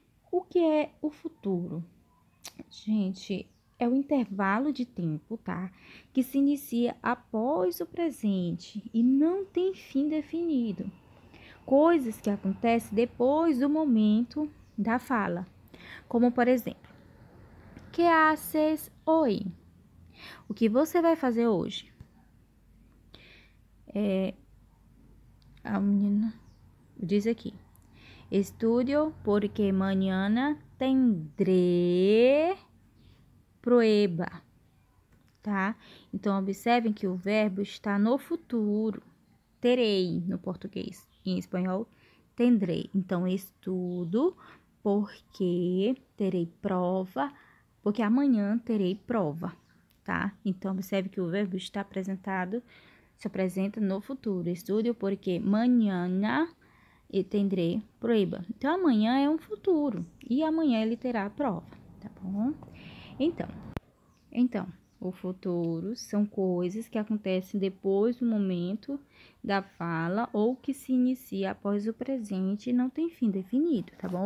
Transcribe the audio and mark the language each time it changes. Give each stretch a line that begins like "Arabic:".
Portuguese: O que é o futuro? Gente, é o intervalo de tempo, tá? Que se inicia após o presente e não tem fim definido. Coisas que acontecem depois do momento da fala. Como, por exemplo,
Spanish: que haces hoy?
Portuguese: O que você vai fazer hoje? A menina diz aqui.
Spanish: Estudio porque mañana tendré prueba, tá?
Portuguese: Então, observem que o verbo está no futuro, terei, no português, em espanhol, tendrei. Então, estudo porque terei prova, porque amanhã terei prova, tá? Então, observe que o verbo está apresentado, se apresenta no futuro.
Spanish: Estudo porque mañana tendrei prueba.
Portuguese: Então, amanhã é um futuro e amanhã ele terá a prova, tá bom? Então, o futuro são coisas que acontecem depois do momento da fala ou que se inicia após o presente e não tem fim definido, tá bom?